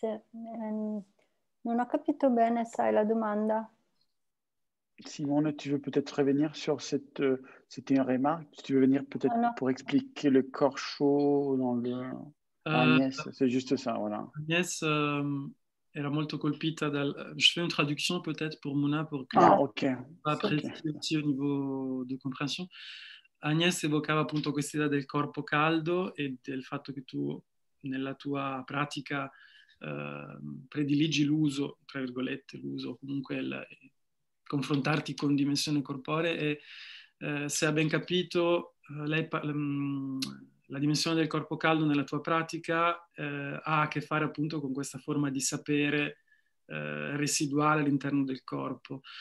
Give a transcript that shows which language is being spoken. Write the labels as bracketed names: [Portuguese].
[Italian] Non ho capito bene, sai, la domanda. [French] Simone, tu veux peut-être revenir sur cette... c'était une remarque. Tu veux venir peut-être pour expliquer le corps chaud dans le... Agnès, c'est juste ça, voilà. [Italian] Agnès, era molto colpita dal... [French] Je fais une traduction peut-être pour Mouna pour qu'elle apprécie aussi au niveau de compréhension. [Italian] Agnès evocava appunto questa idea del corpo caldo e del fatto che tu nella tua pratica prediligi l'uso, tra virgolette, l'uso, comunque confrontarti con dimensione corporea, e se ha ben capito, lei, la dimensione del corpo caldo nella tua pratica ha a che fare appunto con questa forma di sapere residuale all'interno del corpo.